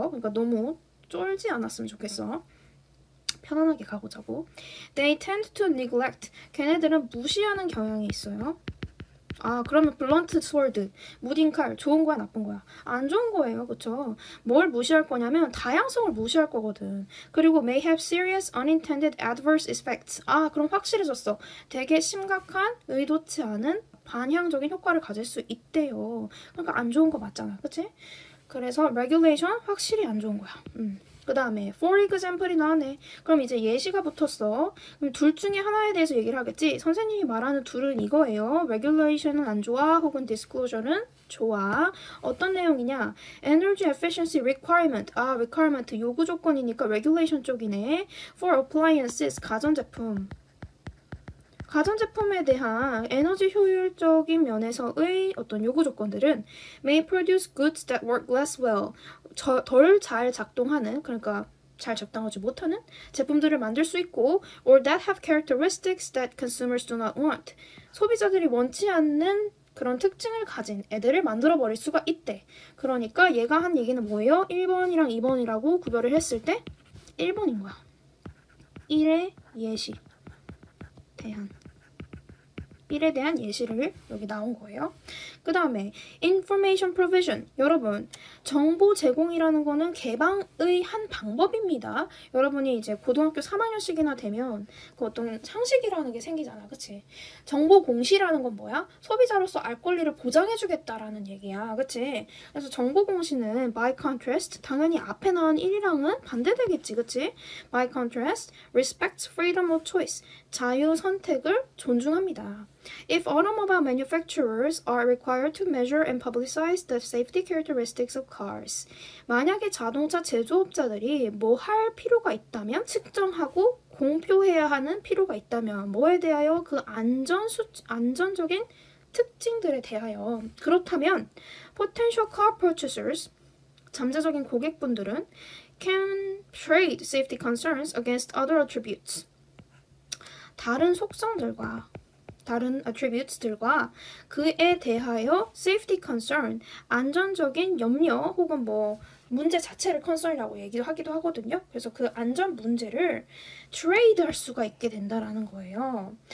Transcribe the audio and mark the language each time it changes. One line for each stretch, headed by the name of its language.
Korean: 그러니까 너무 쫄지 않았으면 좋겠어. 편안하게 가보자고.
English: They tend to neglect.
Korean: 걔네들은 무시하는 경향이 있어요. 아, 그러면 blunt sword, 무딘 칼, 좋은 거야, 나쁜 거야? 안 좋은 거예요, 그쵸? 뭘 무시할 거냐면 다양성을 무시할 거거든.
English: 그리고 may have serious unintended adverse effects.
Korean: 아, 그럼 확실해졌어. 되게 심각한 의도치 않은 반향적인 효과를 가질 수 있대요. 그러니까 안 좋은 거 맞잖아, 그치? 그래서 regulation 확실히 안 좋은 거야. 그 다음에 for example이 나왔네. 그럼 이제 예시가 붙었어. 그럼 둘 중에 하나에 대해서 얘기를 하겠지? 선생님이 말하는 둘은 이거예요. Regulation은 안 좋아, 혹은 disclosure는 좋아. 어떤 내용이냐?
English: Energy efficiency requirement.
Korean: 아, requirement 요구 조건이니까 regulation 쪽이네.
English: For appliances, 가전제품.
Korean: 가전제품에 대한 에너지 효율적인 면에서의 어떤 요구 조건들은
English: may produce goods that work less well.
Korean: 덜잘 작동하는, 그러니까 잘 적당하지 못하는 제품들을 만들 수 있고,
English: or that have characteristics that consumers do not want.
Korean: 소비자들이 원치 않는 그런 특징을 가진 애들을 만들어 버릴 수가 있대. 그러니까 얘가 한 얘기는 뭐예요? 1번이랑 2번이라고 구별을 했을 때 1번인 거야. 1의 예시 대한. 1에 대한 예시를 여기 나온 거예요. 그 다음에 information provision. 여러분, 정보 제공이라는 거는 개방의 한 방법입니다. 여러분이 이제 고등학교 3학년씩이나 되면 그 어떤 상식이라는 게 생기잖아, 그치? 정보 공시라는 건 뭐야? 소비자로서 알 권리를 보장해주겠다라는 얘기야, 그치? 그래서 정보 공시는 by contrast, 당연히 앞에 나온 1이랑은 반대되겠지, 그치?
English: by contrast, respects freedom of choice.
Korean: 자유 선택을 존중합니다.
English: If automobile manufacturers are required to measure and publicize the safety characteristics of cars,
Korean: 만약에 자동차 제조업자들이 뭐할 필요가 있다면, 측정하고 공표해야 하는 필요가 있다면, 뭐에 대하여 그 안전적인 특징들에 대하여.
English: 그렇다면, potential car purchasers,
Korean: 잠재적인 고객분들은
English: can trade safety concerns against other attributes.
Korean: 다른 속성들과 다른 attributes들과 그에 대하여 safety concern, 안전적인 염려 혹은 뭐 문제 자체를 컨설이라고 얘기도 하기도 하거든요. 그래서 그 안전 문제를 트레이드 할 수가 있게 된다라는 거예요.